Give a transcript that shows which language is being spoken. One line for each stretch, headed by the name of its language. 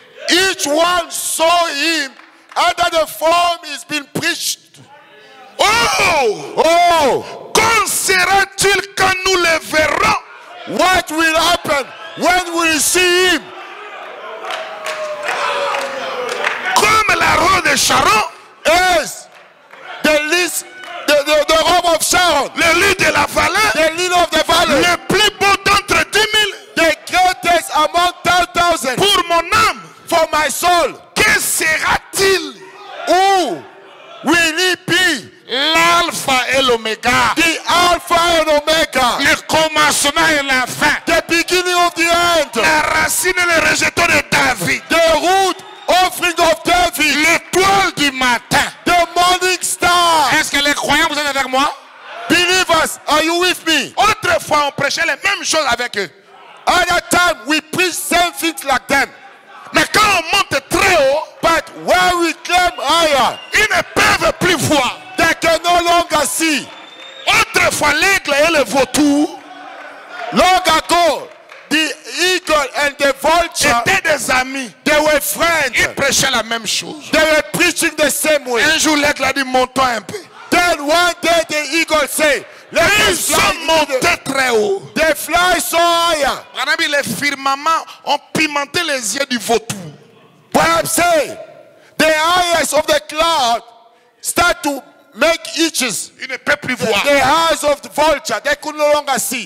English: Each one saw him under the form he's been preached. Oh! Oh!
French: Quand sera-t-il quand nous le verrons?
English: What will happen when we see him?
French: Comme la robe de Sharon.
English: Yes. The robe of Sharon.
French: Le lit de la vallée.
English: The lit of the valley.
French: Le plus beau d'entre 10 000.
English: The greatest among 10,000.
French: Pour mon âme.
English: For my soul.
French: Que sera-t-il?
English: Who will it be?
French: L'alpha et l'oméga.
English: The alpha and omega.
French: Le commencement et la fin.
English: The beginning of the end.
French: La racine et le rejeton de David.
English: The root offering of David.
French: L'étoile du matin.
English: The morning star.
French: Est-ce que les croyants vous êtes avec moi?
English: Believers, are you with me?
French: Autrefois on prêchait les mêmes choses avec eux.
English: At that time we preach same things like them.
French: Mais quand on monte très haut,
English: but where we climb higher,
French: ils ne peuvent plus voir.
English: They can no longer see.
French: Autrefois l'aigle et le vautour,
English: long ago, the eagle and the vulture
French: étaient des amis.
English: They were friends.
French: Ils prêchaient la même chose.
English: They were preaching the same way.
French: Un jour l'aigle a dit montons un peu.
English: Then one day the eagle said,
French: let ils sont montés très haut.
English: They fly so high.
French: Brandabi, les firmaments ont pimenté les yeux du vautour.
English: Brandabi say, the eyes of the cloud start to make itches.
French: Il ne peut plus voir.
English: The eyes of the vulture, they could no longer see.